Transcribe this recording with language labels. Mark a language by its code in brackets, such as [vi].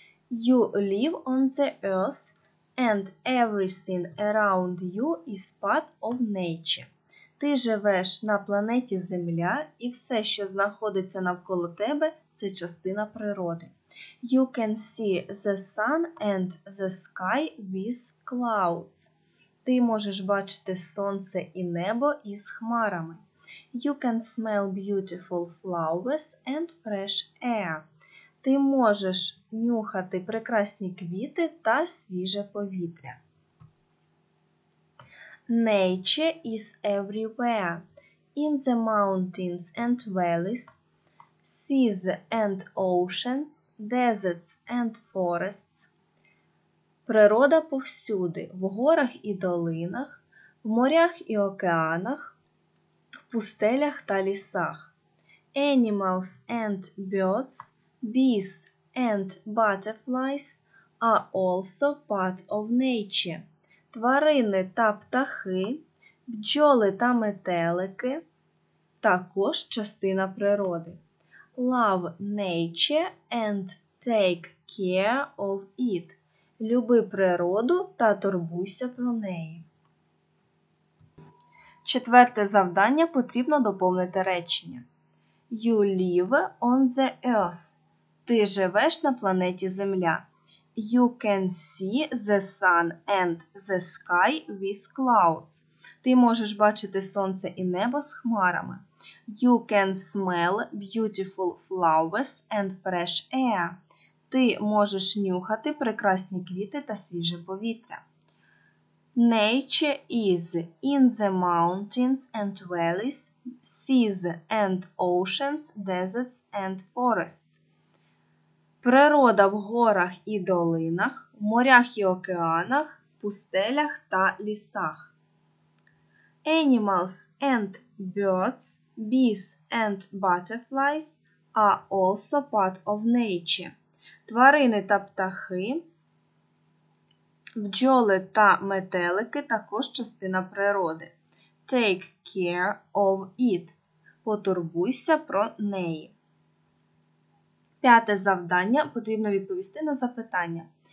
[en] You live on the earth and everything around you is part of nature. [uk] Ти живеш на планеті Земля і все, що знаходиться навколо тебе – це частина природи. [en] You can see the sun and the sky with clouds. [uk] Ти можеш бачити сонце і небо із хмарами. [en] You can smell beautiful flowers and fresh air. [uk] Ти можеш нюхати прекрасні квіти та свіже повітря. [en] Nature is everywhere. In the mountains and valleys, seas and oceans, deserts and forests. [uk] Природа повсюди – в горах і долинах, в морях і океанах, в пустелях та лісах. [en] Animals and birds, bees and butterflies are also part of nature. [uk] Тварини та птахи, бджоли та метелики – також частина природи. [en] Love nature and take care of it. [uk] Люби природу та турбуйся про неї. Четверте завдання потрібно доповнити речення. [en] You live on the earth. [uk] Ти живеш на планеті Земля. [en] You can see the sun and the sky with clouds. [uk] Ти можеш бачити сонце і небо з хмарами. [en] You can smell beautiful flowers and fresh air. [uk] Ти можеш нюхати прекрасні квіти та свіже повітря. [en] Nature is in the mountains and valleys, seas and oceans, deserts and forests. [uk] Природа в горах і долинах, в морях і океанах, пустелях та лісах. [en] Animals and birds, bees and butterflies are also part of nature. [uk] Тварини та птахи, бджоли та метелики – також частина природи. [en] Take care of it. [uk] Потурбуйся про неї. П'яте завдання. Потрібно відповісти на запитання.